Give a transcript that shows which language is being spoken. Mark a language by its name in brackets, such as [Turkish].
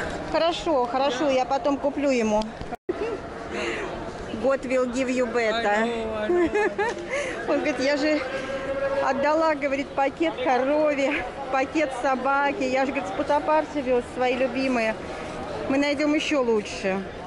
[Russian] Хорошо, хорошо, я потом куплю ему. [English] God will give you better. [Russian] Он говорит, я же отдала, говорит, пакет корове, пакет собаке. Я же, говорит, с Путапарти вез свои любимые. Мы найдем еще лучше.